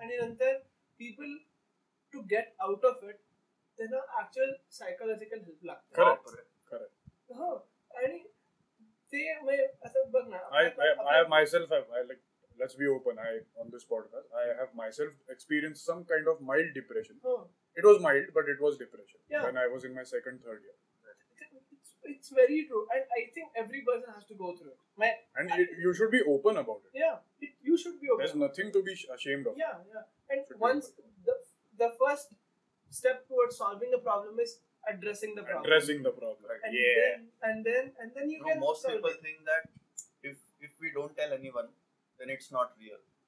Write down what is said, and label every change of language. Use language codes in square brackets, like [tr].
[mr] आणि नंतर [en] people to get out of it [mr] त्यांना ऍक्च्युअल सायकोलॉजिकल हेल्प लागतो. हो आणि ते असं बघ ना [en] I have myself I like let's be open I on this podcast I have myself experience some kind of mild depression. It was mild but it was depression when I was in my second third year. It's very true. And I think every person has to go through it. You should be open about it. You should be open. There's nothing to be ashamed of. And once the first step towards solving the problem is addressing the problem. Most people think that if we don't tell anyone, then it's not real.